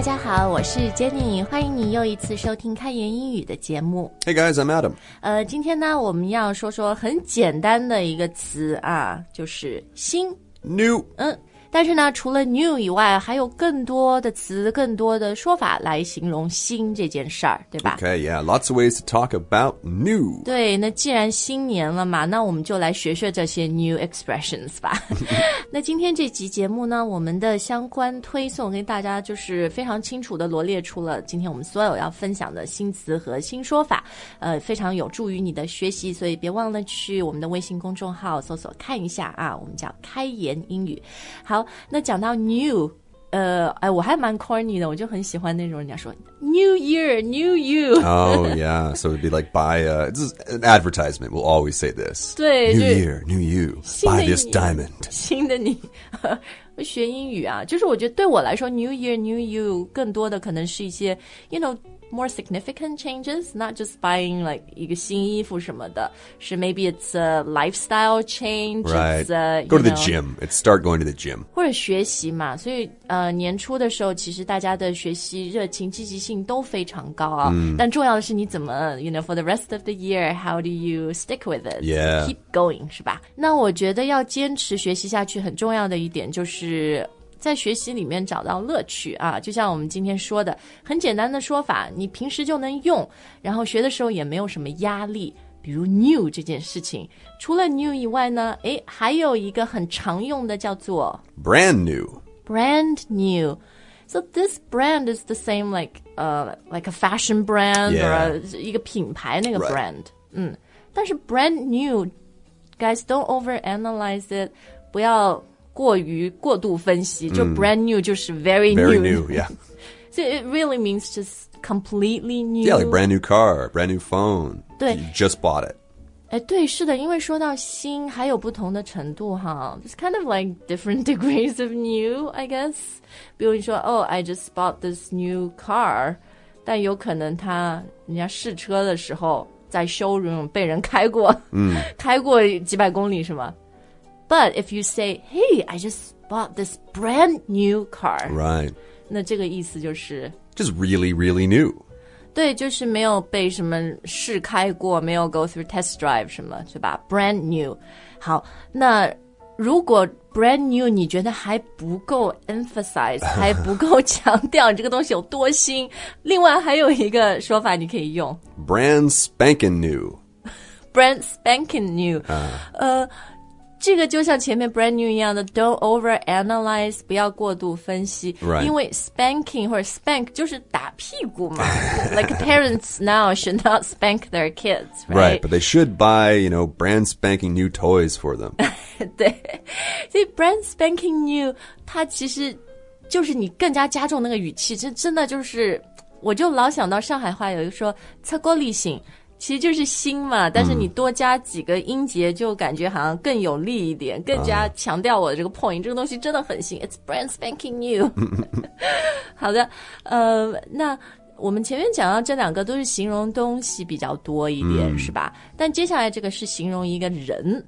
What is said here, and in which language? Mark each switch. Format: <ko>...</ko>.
<zh>好，我是 Jenny， 欢迎你又一次收听开言英语的节目。</zh> <en>Hey guys, I'm Adam.</en> <zh>今天呢，我们要说说很简单的一个词啊，就是新</zh> <en>new。</en> <zh>但是呢，除了 new 以外，还有更多的词、更多的说法来形容新这件事儿，对吧</zh> <en>？Okay, yeah, lots of ways to talk about new.</en> <zh>对，那既然新年了嘛，那我们就来学学这些</zh> <en>new expressions</en> <zh>吧。那今天这集节目呢，我们的相关推送给大家就是非常清楚的罗列出了今天我们所有要分享的新词和新说法，非常有助于你的学习，所以别忘了去我们的微信公众号搜索看一下啊，我们叫开言英语。好，那讲到 new， 我还蛮 corny 的，我就很喜欢那种人家说</zh> <en>new year， new you。 Oh yeah, so it'd be like buy a, this is an advertisement. We'll always say this.</en> <zh>对</zh> <en>，new year, new you. Buy this diamond.</en> <zh>新的你，学英语啊，就是我觉得对我来说 ，</zh> <en>new year, new you，</en> <zh>更多的可能是一些</zh> <en>you know more significant changes, not just buying like 一个新衣服什么的，是 maybe it's a lifestyle change. Right. It's a, go to the gym. It's start going to the gym.</en> <zh>或者学习嘛，所以年初的时候，其实大家的学习热情、积极性都非常高啊。 Mm. 但重要的是你怎么</zh> <en>you know for the rest of the year, how do you stick with it? Yeah. Keep going,</en> <zh>是吧？那我觉得要坚持学习下去，很重要的一点就是。在学习里面找到乐趣啊，就像我们今天说的，很简单的说法，你平时就能用，然后学的时候也没有什么压力。比如 new 这件事情，除了 new 以外呢，哎，还有一个很常用的叫做</zh> <en>brand new， brand new。 So this brand is the same like a fashion brand、 yeah. or a,</en> <zh>一个品牌那个 brand、</zh> <en>right.</en> <zh>但是</zh> <en>brand new， guys don't overanalyze it，</en> <zh>不要。过度分析就 brand new 就是</zh> <en>very new very new yeah so it really means just completely new yeah like brand new car brand new phone</en> <zh>对</zh> <en>you just bought it</en> <zh>哎，对是的因为说到新还有不同的程度哈</zh> <en>it's kind of like different degrees of new I guess</en> <zh>比如你说</zh> <en>oh I just bought this new car</en> <zh>但有可能他人家试车的时候在 showroom 被人开过、开过几百公里是吗</zh> <en>But if you say, hey, I just bought this brand new car. Right.</en> <zh>那这个意思就是</zh> <en>Just really, really new.</en> <zh>对，就是没有被什么试开过，没有</zh> <en>go through test drive</en> <zh>什么，对吧 ？Brand new. 好，那如果 brand new 你觉得还不够 emphasize， 还不够强调这个东西有多新，另外还有一个说法你可以用</zh> <en>brand spanking new. Brand spanking new.</en> <zh>这个就像前面 brand new 一样的</zh> <en>don't overanalyze</en> <zh>不要过度分析、</zh> <en>right.</en> <zh>因为 spanking 或者 spank 就是打屁股嘛</zh> <en>like parents now should not spank their kids right? right but they should buy you know brand spanking new toys for them</en> <zh>对所以 brand spanking new 它其实就是你更加加重那个语气这真的就是我就老想到上海话有一个说擦锅立新其实就是新嘛但是你多加几个音节就感觉好像更有力一点、更加强调我的这个 point 这个东西真的很新</zh> <en>It's brand spanking new</en> <zh>好的那我们前面讲到这两个都是形容东西比较多一点、是吧但接下来这个是形容一个人</zh>